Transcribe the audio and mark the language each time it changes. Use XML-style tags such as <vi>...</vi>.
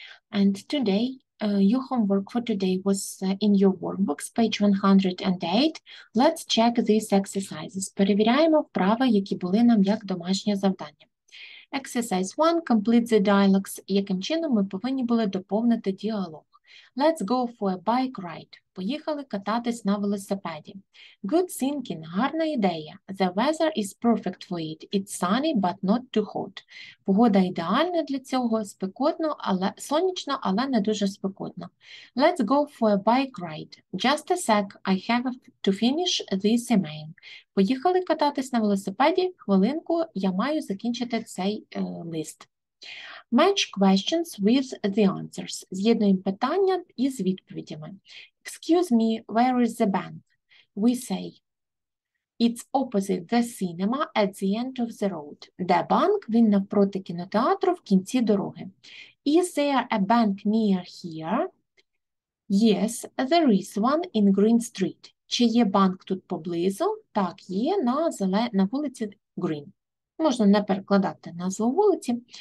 <en>And today, your homework for today was in your workbooks, page 108. Let's check these exercises.</en> <uk>Перевіряємо вправи, які були нам як домашнє завдання.</uk> <en>Exercise 1, complete the dialogues.</en> <uk>Яким чином ми повинні були доповнити діалог?</uk> <en>Let's go for a bike ride.</en> <uk>Поїхали кататись на велосипеді.</uk> <en>Good thinking,</en> <uk>гарна ідея.</uk> <en>The weather is perfect for it. It's sunny, but not too hot.</en> <uk>Погода ідеальна для цього, спекотно, але сонячно, але не дуже спекотно.</uk> <en>Let's go for a bike ride. Just a sec, I have to finish this email.</en> <uk>Поїхали кататись на велосипеді. Хвилинку, я маю закінчити цей лист.</uk> <en>Match questions with the answers.</en> <uk>З'єднуємо питання із відповідями.</uk> <en>Excuse me, where is the bank? We say, it's opposite the cinema at the end of the road. The bank,</en> <uk>він навпроти кінотеатру в кінці дороги.</uk> <en>Is there a bank near here? Yes, there is one in Green Street.</en> <uk>Чи є банк тут поблизу? Так, є на вулиці Green. Можна не перекладати назву вулиці.</uk>